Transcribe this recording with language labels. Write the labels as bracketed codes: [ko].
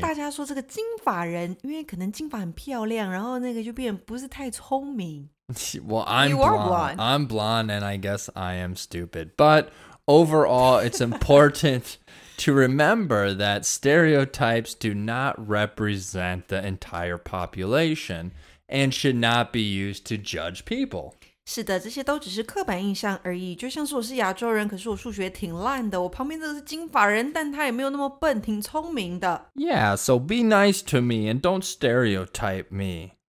[zh] 大家说这个金发人因为可能金发很漂亮然后那个就变不是太聪明。 [en] Well, I'm blonde. You are blonde. I'm blonde and I guess I am stupid. But overall, it's important to remember that stereotypes do not represent the entire population. And should not be used to judge people. [zh] 是的，这些都只是刻板印象而已。就像是我是亚洲人，可是我数学挺烂的。我旁边这个是金发人，但他也没有那么笨，挺聪明的。 [en] Yeah, so be nice to me and don't stereotype me.